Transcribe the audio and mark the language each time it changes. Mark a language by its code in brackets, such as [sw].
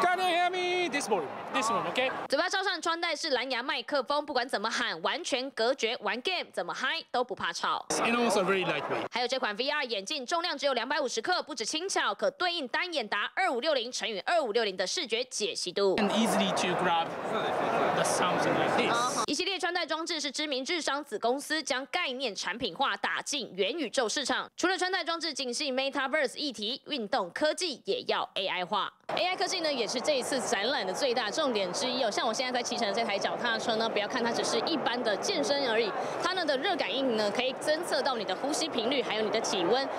[en] Can you hear me this morning? This one, okay. [zh] 嘴巴罩上穿戴式蓝牙麦克风，不管怎么喊，完全隔绝，玩 game 怎么嗨都不怕吵。 [en] It's also very lightweight. [zh] 还有这款 VR 眼镜，重量只有250克，不止轻巧，可对应单眼达2560×2560的视觉解析度。 [en] And easily to grab the something like this. [zh] 一系列穿戴装置是知名智商子公司将概念产品化，打进元宇宙市场。除了穿戴装置仅限 Metaverse 议题，运动科技也要 AI 化。 AI 科技呢，也是这一次展览的最大重点之一哦。像我现在在骑乘的这台脚踏车呢，不要看它只是一般的健身而已，它呢的热感应呢可以侦测到你的呼吸频率，还有你的体温。